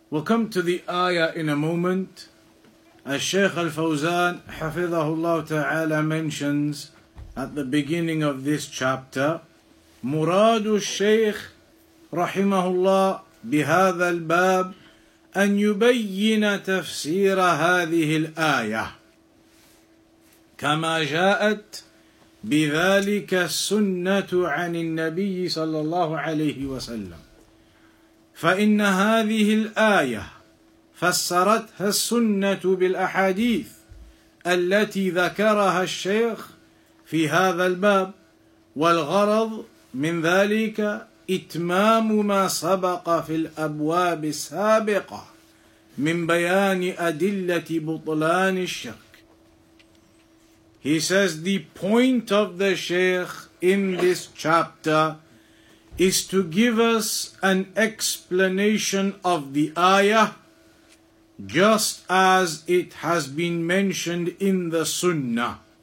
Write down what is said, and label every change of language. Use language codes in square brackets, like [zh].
[en] We'll come to the ayah in a moment. As Shaykh Al-Fawzan, [ar] حفظه الله تعالى, [en] mentions at the beginning of this chapter, [ar] مراد الشيخ رحمه الله بهذا الباب أن يبين تفسير هذه الآية كما جاءت بذلك السنة عن النبي صلى الله عليه وسلم فإن هذه الآية فسرتها السنة بالأحاديث التي ذكرها الشيخ في هذا الباب والغرض من ذلك إتمام ما سبق في الأبواب السابقة من بيان أدلة بطلان الشرك. [en] He says the point of the Shaykh in this chapter is to give us an explanation of the ayah just as it has been mentioned in the Sunnah.